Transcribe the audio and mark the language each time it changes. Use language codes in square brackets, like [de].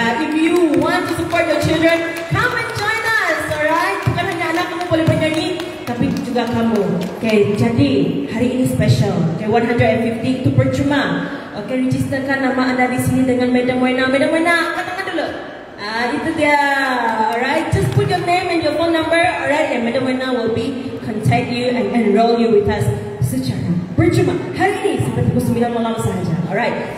[en] If you want to support your children, come and join us, alright? [ms] Bukan hanya anak kamu boleh bernyanyi, tapi juga kamu. Okay, jadi hari ini special. Okay, 150 itu percuma. Okay, registerkan nama anda di sini dengan Madam Wena. Madam Wena, katakan dulu. Itu dia, alright? [en] Just put your name and your phone number, alright? And Madam Wena will be contact you and enroll you with us [ms] secara percuma. Hari ini sampai pukul 9 malam saja, alright?